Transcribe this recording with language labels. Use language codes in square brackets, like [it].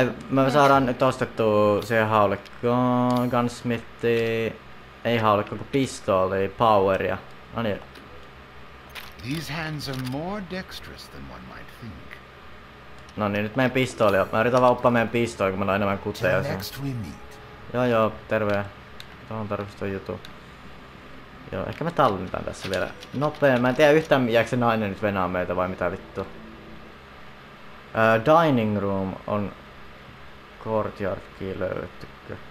[fi] Me saadaan nyt ostettua siihen haulikkoon, gunsmithi, ei haulikko, kun pistooli, poweria. Noniin. [en] These hands are more dexterous than one might think. [fi] Noniin, nyt meidän pistooli on. Mä yritän vaan uppaa meidän pistooli, kun meillä on enemmän kuteja. [en] Till next we meet. [fi] Joo, terve. Tuohon tarvitsi tuon jutun. Joo, ehkä me tallennetaan tässä vielä nopea. Mä en tiedä yhtään, jääkö se nainen nyt venaa meitä vai mitä vittu. Dining room on courtyard key löydettykö?